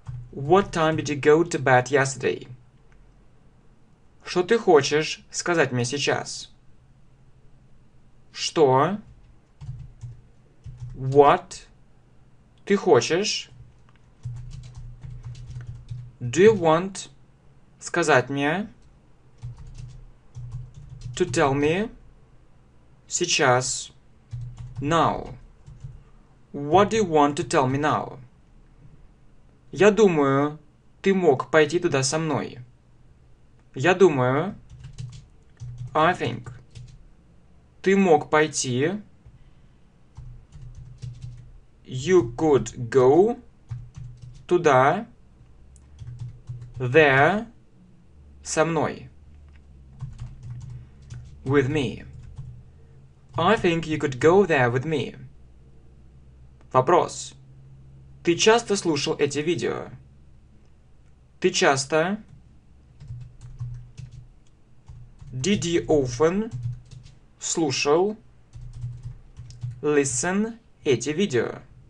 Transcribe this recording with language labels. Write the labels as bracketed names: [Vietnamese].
[English] What time did you go to bed yesterday? [Russian] Что ты хочешь сказать мне сейчас? Что? [English] What? [Russian] Ты хочешь? [English] Do you want [Russian] сказать мне? [English] To tell me? [Russian] Сейчас. [English] Now. What do you want to tell me now? [Russian] Я думаю, ты мог пойти туда со мной. Я думаю. [English] I think. [Russian] Ты мог пойти. [English] You could go. [Russian] Туда. [English] There. [Russian] Со мной. [English] With me. I think you could go there with me. [Russian] Вопрос. Ты часто слушал эти видео? Ты часто? [English] Did you often [Russian] слушал, [English] listen [Russian] эти видео?